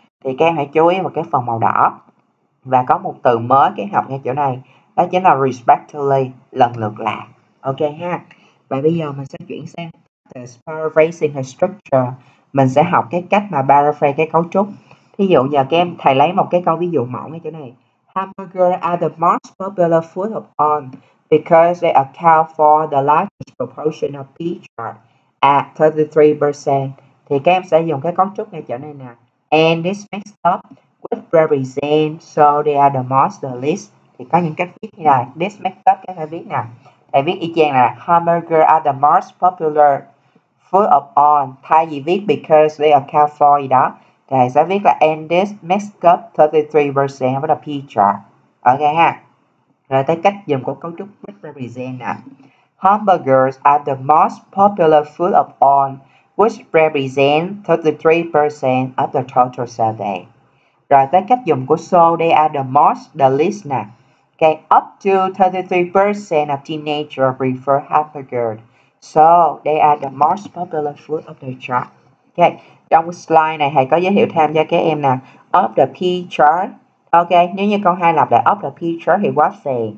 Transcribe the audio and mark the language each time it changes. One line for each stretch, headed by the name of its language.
Vietnamese: Thì các em hãy chú ý vào cái phần màu đỏ. Và có một từ mới cái học ngay chỗ này đó chính là respectfully, lần lượt là. Ok ha. Và bây giờ mình sẽ chuyển sang paraphrasing the structure. Mình sẽ học cái cách mà paraphrase cái cấu trúc. Thí dụ giờ các em thầy lấy một cái câu ví dụ mẫu ngay chỗ này.
English: Hamburger are the most popular food of all because they account for the largest proportion of pizza at 33%.
Vietnamese: Thì các em sẽ dùng cái cấu trúc ngay chỗ này nè.
English: And this makes up which represent so they are the most the least.
Vietnamese: Thì có những cách viết như này, this makes up các em viết nè. Thầy viết y chang là
English: hamburger are the most popular food of all.
Vietnamese: Thay vì viết
English: because they account for
Vietnamese: gì đó, thầy sẽ viết là
English: and this makes up 33% of the pizza.
Vietnamese: Ok ha. Rồi tới cách dùng của cấu trúc which represent nè.
English: Hamburgers are the most popular food of all, which represent 33% of the total survey.
Vietnamese: Rồi tới cách dùng của
English: so they are the most, the least nè. Okay, up to 33% of teenagers prefer hamburger. So they are the most popular food of the chart.
Vietnamese: Okay, trong slide này thầy có giới thiệu thêm cho các em nè.
English: of the P-chart.
Vietnamese: Ok, nếu như câu 2 lặp lại of the P-chart thì
English: what say?